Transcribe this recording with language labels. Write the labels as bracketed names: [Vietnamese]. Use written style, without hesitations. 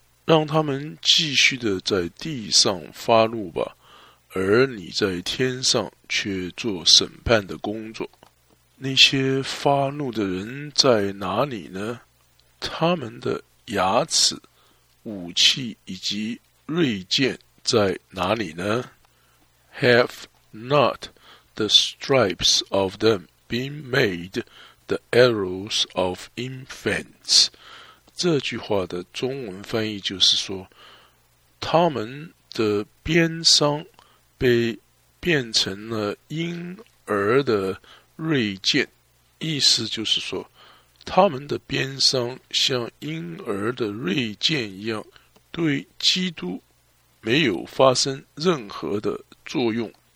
[Chinese] 让他们继续的在地上发怒吧，而你在天上却做审判的工作。那些发怒的人在哪里呢？他们的牙齿、武器以及锐剑在哪里呢？ [English] Have not the stripes of them been made the arrows of infants? [Chinese] 这句话的中文翻译就是说，他们的鞭伤被变成了婴儿的锐剑，意思就是说他们的鞭伤像婴儿的锐剑一样，对基督没有发生任何的作用。